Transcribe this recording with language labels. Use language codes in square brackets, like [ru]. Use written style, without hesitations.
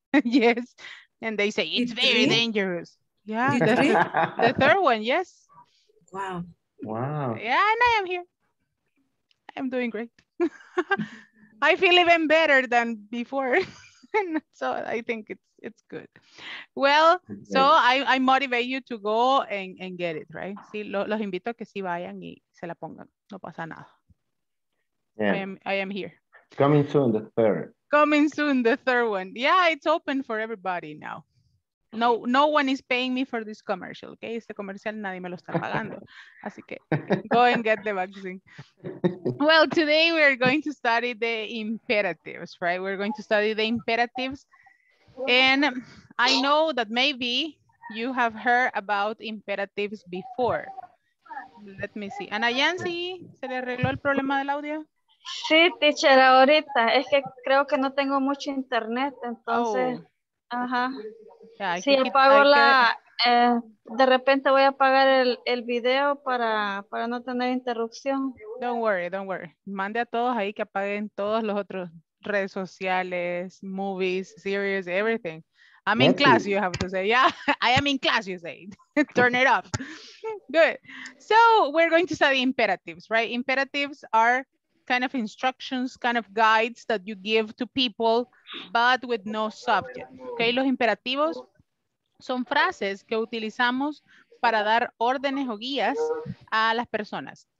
[en] Yes. And they say it's very dangerous. Yeah, the third one, yes. Wow. Yeah, and I am here. I'm doing great. I feel even better than before. So I think it's good. Well, so I motivate you to go and get it, right? [es] Sí, los invito a que sí vayan y se la pongan. No pasa nada. [en] Yeah. I am here. Coming soon, the third. Coming soon, the third one. Yeah, it's open for everybody now. No, no one is paying me for this commercial, okay? [es] Este comercial nadie me lo está pagando. Así que, [en] go and get the vaccine. Well, today we are going to study the imperatives, right? We're going to study the imperatives. And I know that maybe you have heard about imperatives before. Let me see. [es] Ana Yancy, ¿se le arregló el problema del audio? Sí, teacher, ahorita. Es que creo que no tengo mucho internet, entonces... Oh. Ajá. Yeah, sí, apago la... de repente voy a apagar el video para no tener interrupción. [en] Don't worry, don't worry. [es] Mande a todos ahí que apaguen todos los otros redes sociales, [en] movies, series, everything. I'm in class, you have to say. Yeah, I am in class, you say. Turn it off. Good. So we're going to study imperatives, right? Imperatives are kind of instructions, kind of guides that you give to people, but with no subject. [es] Okay, los imperativos son frases que utilizamos para dar órdenes o guías a las personas.